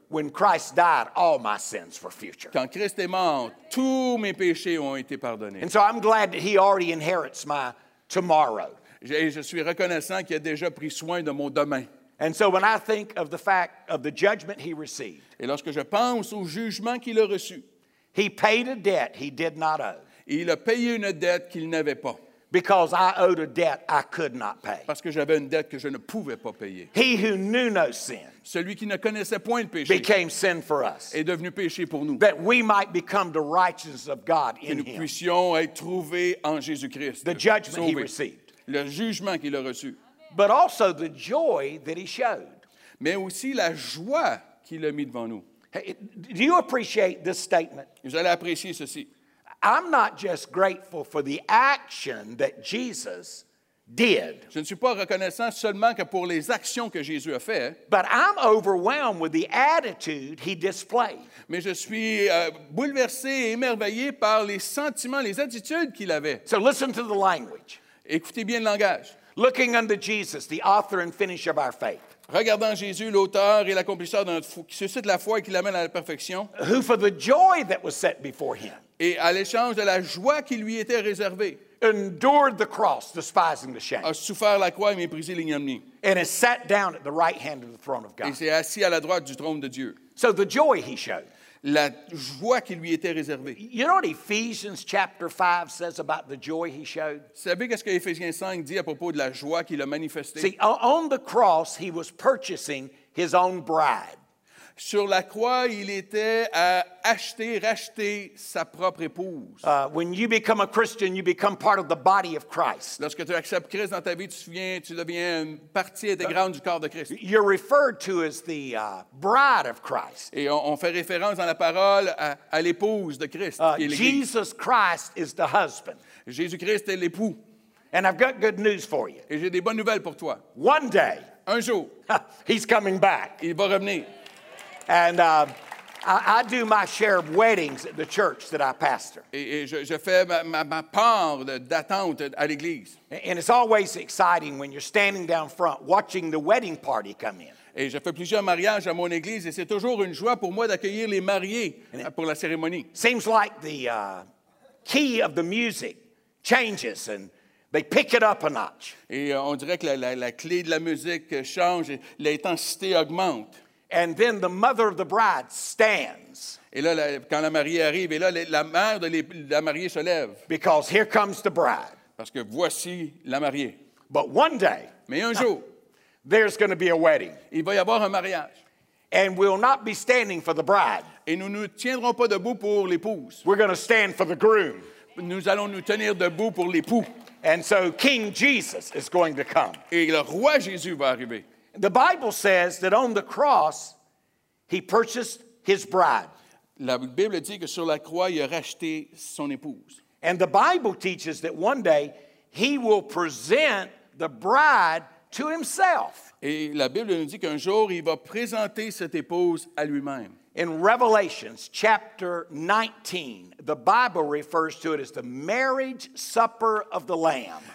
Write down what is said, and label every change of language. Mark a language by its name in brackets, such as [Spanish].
[English] When Christ died, all my sins were future. [French] Quand Christ est mort, tous mes péchés ont été pardonnés. [English] And so I'm glad that he already inherits my tomorrow. [French] Je suis reconnaissant qu'il a déjà pris soin de mon demain. [English] And so when I think of the fact of the judgment he received, [French] et lorsque je pense au jugement qu'il a reçu, [English] he paid a debt he did not owe. [French] Il a payé une dette qu'il n'avait pas. [English] Because I owed a debt I could not pay. [French] Parce que j'avais une dette que je ne pouvais pas payer. [English] He who knew no sin, [French] celui qui ne connaissait point le péché, [English] became sin for us, [French] est devenu péché pour nous, [English] that we might become the righteousness of God in him, [French] que nous puissions être trouvés en Jésus-Christ. [English] The judgment he received, [French] le jugement qu'il a reçu. [English] But also the joy that he showed. [French] Mais aussi la joie qu'il a mis devant nous. [English] Hey, do you appreciate this statement? [French] Vous allez apprécier ceci. [English] I'm not just grateful for the action that Jesus did. [French] Je ne suis pas reconnaissant seulement que pour les actions que Jésus a fait. [English] But I'm overwhelmed with the attitude he displayed. [French] Mais je suis bouleversé et émerveillé par les sentiments, les attitudes qu'il avait. [English] So listen to the language. [French] Écoutez bien le langage. [English] Looking unto Jesus, the author and finisher of our faith. [French] Regardant Jésus, l'auteur et l'accomplisseur de notre foi, qui suscite la foi et qui l'amène à la perfection. [English] Who for the joy that was set before him. [French] Et à l'échange de la joie qui lui était réservée. [English] Endured the cross, despising the shame. [French] A souffert la croix et méprisé l'ignominie. [English] And has sat down at the right hand of the throne of God. [French] Il s'est assis à la droite du trône de Dieu. [English] So the joy he showed. [French] La joie qui lui était réservée. [English] You know what Ephesians chapter 5 says about the joy he showed? [French] Savez qu'est-ce que Éphésiens 5 dit à propos de la joie qu'il a manifestée? [English] See, on the cross he was purchasing his own bride. [French] Sur la croix, il était à acheter, racheter sa propre épouse. [English] When you become a Christian, you become part of the body of Christ. [French] Lorsque tu acceptes Christ dans ta vie, tu deviens une partie intégrante du corps de Christ. [English] You're referred to as the bride of Christ. [French] Et on fait référence dans la parole à l'épouse de Christ. [English] Jesus Christ is the husband. [French] Jésus-Christ est l'époux. [English] And I've got good news for you. [French] Et j'ai des bonnes nouvelles pour toi. [English] One day, [French] un jour, [English] he's coming back. [French] Il va revenir. [English] And I do my share of weddings at the church that I pastor. [French] Et je fais ma part d'attente à l'église. [English] And it's always exciting when you're standing down front watching the wedding party come in. [French] Et je fais plusieurs mariages à mon église et c'est toujours une joie pour moi d'accueillir les mariés pour la cérémonie. [English] Seems like the key of the music changes and they pick it up a notch. [French] Et on dirait que la clé de la musique change et l'intensité augmente. [English] And then the mother of the bride stands. [French] Et là, quand la mariée arrive, et là, la mère de la mariée se lève. [English] Because here comes the bride. [French] Parce que voici la mariée. [English] But one day, [French] mais un jour, [English] there's going to be a wedding. [French] Il va y avoir un mariage. [English] And we'll not be standing for the bride. [French] Et nous ne tiendrons pas debout pour l'épouse. [English] We're going to stand for the groom. [French] Nous allons nous tenir debout pour l'époux. [English] And so King Jesus is going to come. [French] Et le roi Jésus va arriver. [English] The Bible says that on the cross, he purchased his bride. [French] La Bible dit que sur la croix, il a racheté son épouse. [English] And the Bible teaches that one day, he will present the bride to himself. [French] Et la Bible nous dit qu'un jour, il va présenter cette épouse à lui-même. [English] In Revelations chapter 19, the Bible refers to it as the marriage supper of the Lamb.